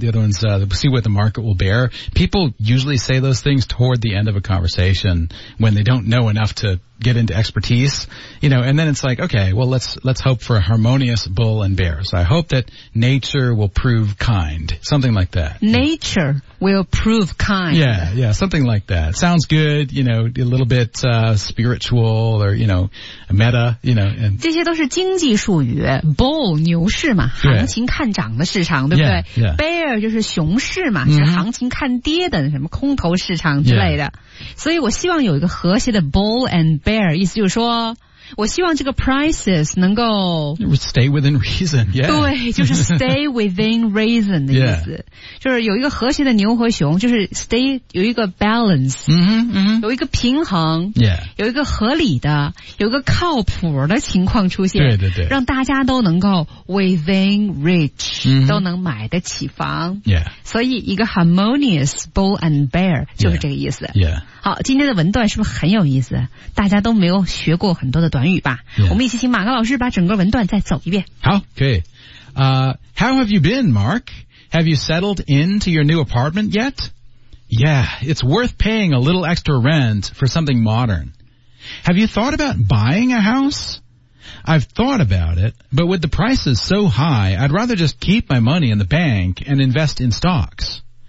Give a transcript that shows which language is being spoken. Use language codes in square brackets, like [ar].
[en] The other one's, see what the market will bear. People usually say those things toward the end of a conversation when they don't know enough to get into expertise, you know, and then it's like, okay, well, let's hope for a harmonious bull and bear. So I hope that nature will prove kind, something like that. Nature、yeah. will prove kind. Yeah, yeah, something like that. Sounds good, you know, a little bit, spiritual or, you know, meta, you know, and. [zh] 这些都是经济术语 bull 牛市嘛，行情看涨的市场，对不对？ Yeah, yeah. Bear 就是熊市嘛、mm-hmm. 是行情看跌的什么空头市场之类的。 Yeah. 所以我希望有一个和谐的 [en] bull and bear, [zh] 意思就是说我希望这个 prices 能够 [en] stay within reason, yeah. [zh] 对，就是 [en] stay within reason [zh] 的意思、 yeah. 就是有一个和谐的牛和熊，就是 stay, 有一个 balance、 mm-hmm, mm-hmm. 有一个平衡、 yeah. 有一个合理的，有一个靠谱的情况出现，对对对，让大家都能够 [en] within reach、 mm-hmm. [zh] 都能买得起房、 yeah. 所以一个 [en] harmonious bull and bear [zh] 就是这个意思、 yeah. Yeah. 好，今天的文段是不是很有意思？大家都没有学过很多的短语吧？ Yeah. 我们一起请马克老师把整个文段再走一遍。好，可以。 [en] How have you been, Mark? Have you settled into your new apartment yet? Yeah, it's worth paying a little extra rent for something modern. Have you thought about buying a house? I've thought about it, but with the prices so high, I'd rather just keep my money in the bank and invest in stocks.